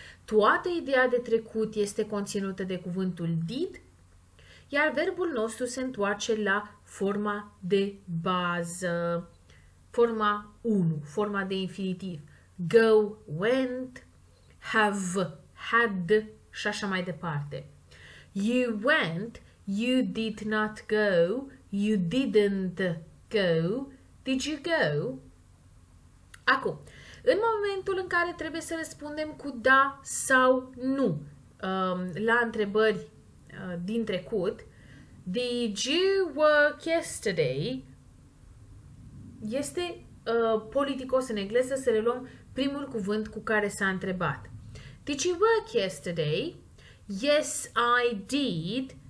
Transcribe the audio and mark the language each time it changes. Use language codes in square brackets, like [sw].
[ro] Toată ideea de trecut este conținută de cuvântul did, iar verbul nostru se întoarce la forma de bază, forma 1, forma de infinitiv. [en] Go, went, have, had, [ro] și așa mai departe. [en] You went, you did not go, you didn't go, did you go? [ro] Acum, în momentul în care trebuie să răspundem cu da sau nu la întrebări din trecut, [en] did you work yesterday? [ro] Este politicos în engleză să reluăm primul cuvânt cu care s-a întrebat. [en] Did you work yesterday? Yes, I did.